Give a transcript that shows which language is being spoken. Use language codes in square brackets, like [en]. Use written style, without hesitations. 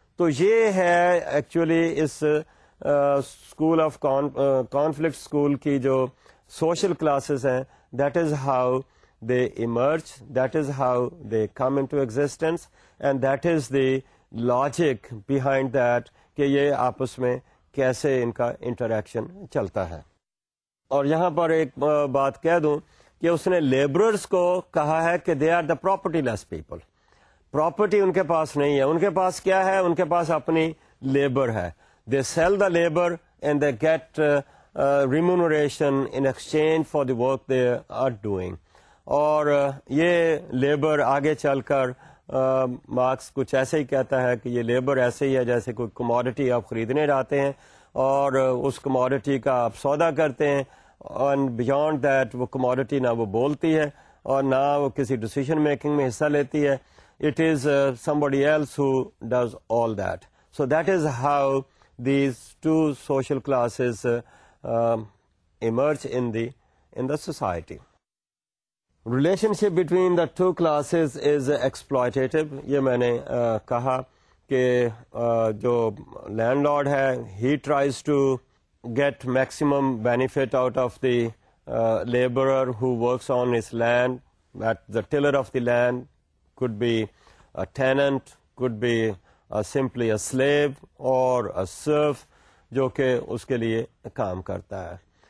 [ur] تو یہ ہے actually اس school of conflict school کی جو سوشل کلاسز ہیں, [en] that is how they emerge, that is how they come into existence, and that is the logic behind that [ur] کہ یہ آپس میں کیسے ان کا انٹریکشن چلتا ہے. اور یہاں پر ایک بات کہہ دوں کہ اس نے لیبررز کو کہا ہے کہ [en] they are the propertyless people, [ur] property ان کے پاس نہیں ہے. ان کے پاس کیا ہے, ان کے پاس اپنی لیبر ہے. [en] They sell the labour and they get remuneration in exchange for the work they are doing. [ur] اور یہ لیبر آگے چل کر مارکس کچھ ایسے ہی کہتا ہے کہ یہ لیبر ایسے ہی ہے جیسے کوئی کموڈیٹی آپ خریدنے جاتے ہیں اور اس کموڈیٹی کا آپ سودا کرتے ہیں, [en] and beyond that [ur] وہ کموڈیٹی نہ وہ بولتی ہے اور نہ وہ کسی ڈسیزن میکنگ میں حصہ لیتی ہے. [en] It is somebody else who does all that. So that is how these two social classes emerge in the society. Relationship between the two classes is exploitative. [ur] یہ میں نے کہا کہ جو لینڈ لارڈ ہے [en] He tries to get maximum benefit out of the labourer who works on his land. That the tiller of the land could be a tenant, could be simply a slave or a serf [ur] جو کہ اس کے لیے کام کرتا ہے.